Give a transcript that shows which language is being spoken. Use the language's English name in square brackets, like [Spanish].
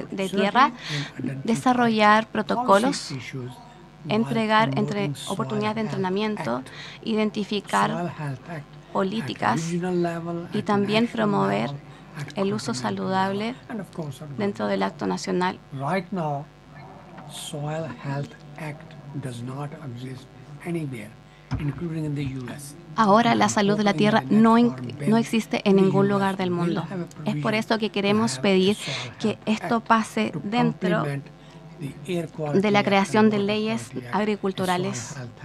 [Spanish] tierra, desarrollar protocolos, entregar oportunidades de entrenamiento, identificar políticas y también promover el uso saludable dentro del acto nacional. [English] Right now, Soil Health Act does not exist anywhere, including in the U.S. [Spanish] Ahora la salud de la tierra no existe en ningún lugar del mundo. Es por eso que queremos pedir que esto pase dentro de la creación de leyes agriculturales.